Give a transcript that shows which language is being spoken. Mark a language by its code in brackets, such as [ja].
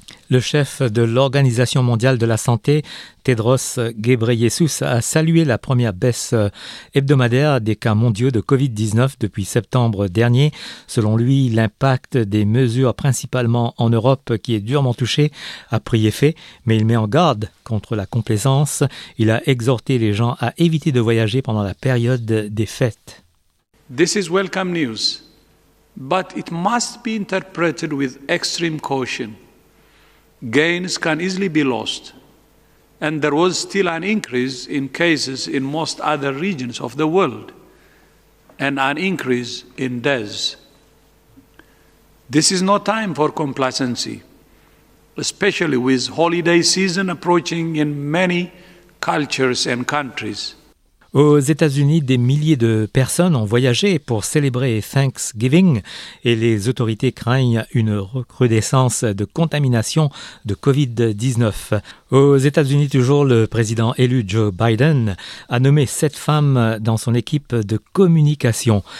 [fr] Le chef de l'Organisation mondiale de la santé, Tedros Ghebreyesus, a salué la première baisse hebdomadaire des cas mondiaux de COVID-19 depuis septembre dernier. Selon lui, l'impact des mesures principalement en Europe, qui est durement touchée, a pris effet, mais il met en garde contre la complaisance. Il a exhorté les gens à éviter de voyager pendant la période des fêtes. [en] This is welcome news, but it must be interpreted with extreme caution. Gains can easily be lost, and there was still an increase in cases in most other regions of the world, and an increase in deaths. This is no time for complacency, especially with holiday season approaching in many cultures and countries. [fr] Aux États-Unis, des milliers de personnes ont voyagé pour célébrer Thanksgiving et les autorités craignent une recrudescence de contamination de COVID-19. Aux États-Unis, toujours, le président élu Joe Biden a nommé 7 femmes dans son équipe de communication.